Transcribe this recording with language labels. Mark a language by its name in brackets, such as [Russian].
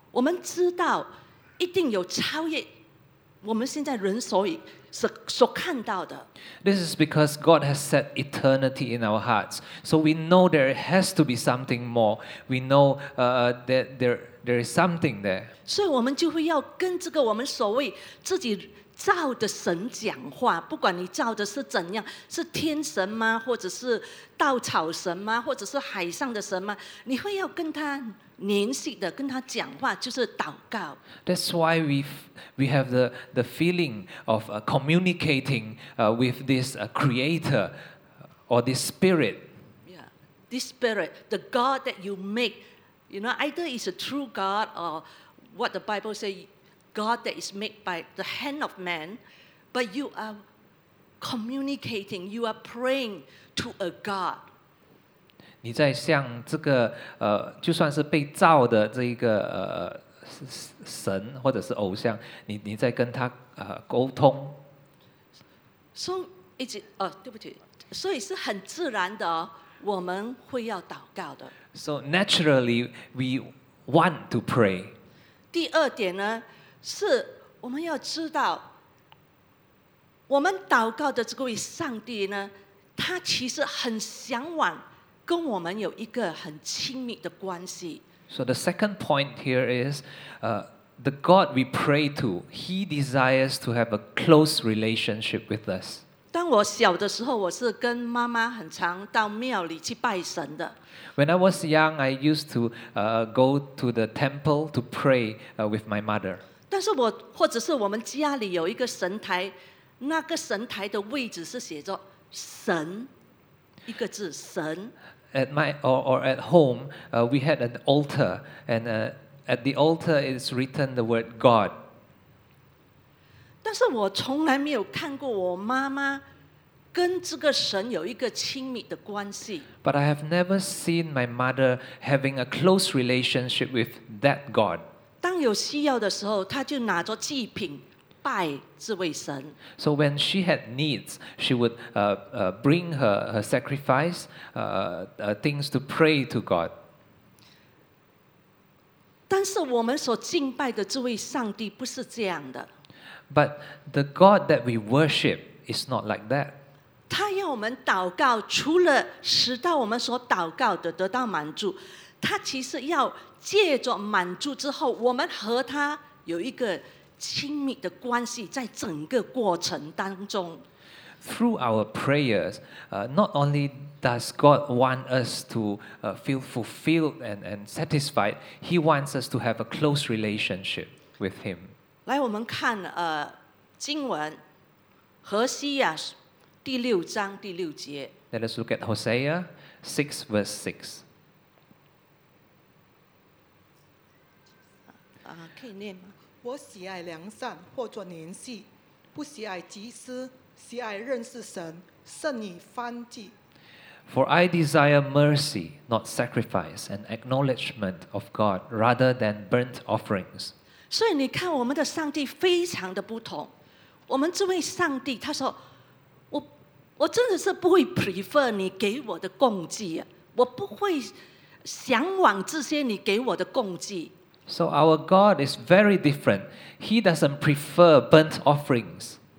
[Chinese] 我们知道一定有超越我们现在人所看到的。 [English] This is because God has set eternity in our hearts, so we know there has to be something more. We know that there is something there. [Chinese] 所以我们就会要跟这个我们所谓自己照着神讲话，不管你照的是怎样，是天神吗，或者是稻草神吗，或者是海上的神吗，你会要跟他联系的，跟他讲话，就是祷告。 [English] That's why we have the feeling of communicating with this creator or this spirit. Yeah, this spirit, the God that you make, you know, either it's a true God or what the Bible say, God that is made by the hand of man, but you are communicating, you are praying to a God. [Chinese] 你在向这个就算是被造的这个神或者是偶像，你在跟他沟通。 [English] So it's [Chinese] 对不起，所以是很自然的，我们会要祷告的。 [English] So naturally we want to pray. [Chinese] 第二点呢，是我们要知道，我们祷告的这位上帝呢，他其实很向往。跟我们有一个很亲密的关系。 [English] So the second point here is, the God we pray to, He desires to have a close relationship with us. [Chinese] 当我小的时候，我是跟妈妈很常到庙里去拜神的。 [English] When I was young, I used to go to the temple to pray with my mother. [Chinese] 但是我或者是我们家里有一个神台，那个神台的位置是写着神。一个字，神。 [English] At my or at home, we had an altar, and at the altar is written the word God. [Chinese] 但是我从来没有看过我妈妈跟这个神有一个亲密的关系。 [English] But I have never seen my mother having a close relationship with that God. [Chinese] 当有需要的时候，她就拿着祭品。拜这位神。 [English] So when she had needs, she would bring her sacrifice, things to pray to God. [Chinese] 但是我们所敬拜的这位上帝不是这样的。 [English] But the God that we worship is not like that. [Chinese] 他要我们祷告，除了使到我们所祷告的得到满足，他其实要借着满足之后，我们和他有一个。亲密的关系在整个过程当中。 [English] Through our prayers, not only does God want us to feel fulfilled and satisfied, He wants us to have a close relationship with Him. [Chinese] 来，我们看经文，何西亚第六章第六节。 [English] Let us look at Hosea 6 verse 6. Can you [Chinese] 念吗？我喜爱良善，或作年纪，不喜爱祭司，喜爱认识神，甚以燔祭。 [English] For I desire mercy, not sacrifice, and acknowledgement of God rather than burnt offerings. [Chinese] 所以你看，我们的上帝非常的不同。我们这位上帝，他说：“我真的是不会 prefer 你给我的供祭，我不会向往这些你给我的供祭。” [English] So our God is very different. He doesn't prefer burnt offerings.